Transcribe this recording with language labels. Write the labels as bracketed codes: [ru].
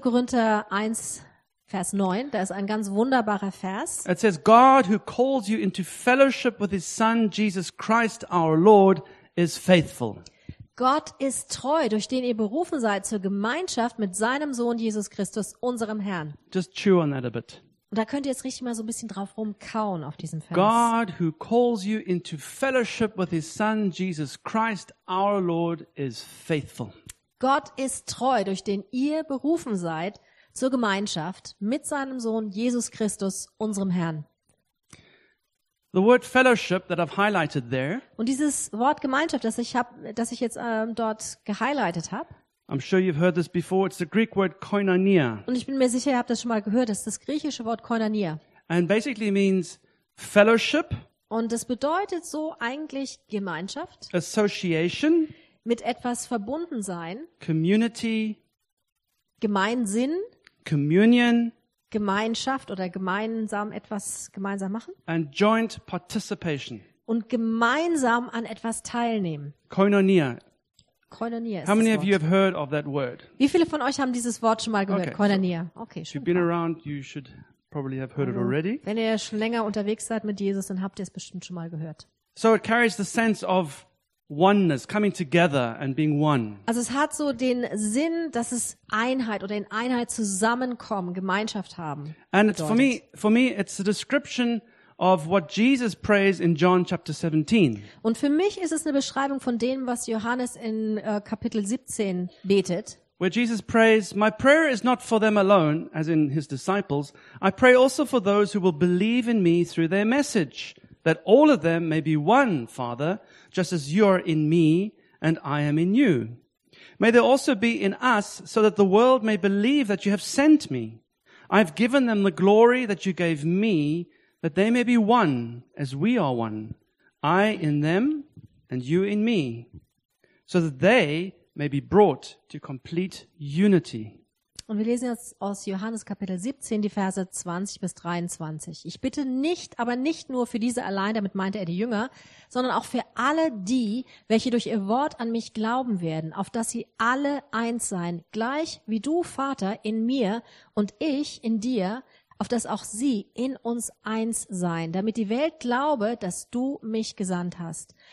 [de] Korinther 1 Vers 9, da ist ein ganz wunderbarer Vers. [en] It says God who calls you into fellowship with his son Jesus Christ our Lord is faithful. [de] Gott ist treu, durch den ihr berufen seid zur Gemeinschaft mit seinem Sohn Jesus Christus, unserem Herrn. [en] Just chew on that a bit. [de] Und da könnt ihr jetzt richtig mal so ein bisschen drauf rumkauen auf diesem Vers. [en] God who calls you into fellowship with his son Jesus Christ our Lord is faithful. [de] Gott ist treu, durch den ihr berufen seid zur Gemeinschaft mit seinem Sohn Jesus Christus, unserem Herrn. [en] The word fellowship that I've highlighted there. [de] Und dieses Wort Gemeinschaft, das ich jetzt dort gehighlighted habe. [en] I'm sure you've heard this before. It's the Greek word koinonia. [de] Und ich bin mir sicher, ihr habt das schon mal gehört. Das ist das griechische Wort koinonia. [en] And basically means fellowship. [de] Und das bedeutet so eigentlich Gemeinschaft. [en] Association. [de] Mit etwas verbunden sein. [en] Community. [de] Gemeinsinn. [en] Communion. [de] Gemeinschaft oder gemeinsam etwas gemeinsam machen. [en] And joint participation. [de] Und gemeinsam an etwas teilnehmen. Koinonia. Koinonia. [en] How many of you have heard of that word? [de] Wie viele von euch haben dieses Wort schon mal gehört? [en] Koinonia. Okay, [de] schön. [en] You've been around, you should probably have heard it already. [de] Wenn ihr schon länger unterwegs seid mit Jesus, dann habt ihr es bestimmt schon mal gehört. [en] So it carries the sense of oneness, coming together and being one. [de] Also es hat so den Sinn, dass es Einheit oder in Einheit zusammenkommen, Gemeinschaft haben. [en] And it's for me it's a description of what Jesus prays in John chapter 17. [de] Und für mich ist es eine Beschreibung von dem, was Johannes in Kapitel 17 betet. [en] Where Jesus prays, my prayer is not for them alone, as in his disciples. I pray also for those who will believe in me through their message, that all of them may be one, Father, just as you are in me and I am in you. May they also be in us, so that the world may believe that you have sent me. I have given them the glory that you gave me, that they may be one, as we are one, I in them and you in me, so that they may be brought to complete unity. [de] Und wir lesen jetzt aus Johannes Kapitel 17, die Verse 20 bis 23. Ich bitte nicht, aber nicht nur für diese allein, damit meinte er die Jünger, sondern auch für alle die, welche durch ihr Wort an mich glauben werden, auf dass sie alle eins seien, gleich wie du, Vater, in mir und ich in dir, auf dass auch sie in uns eins seien, damit die Welt glaube, dass du mich gesandt hast.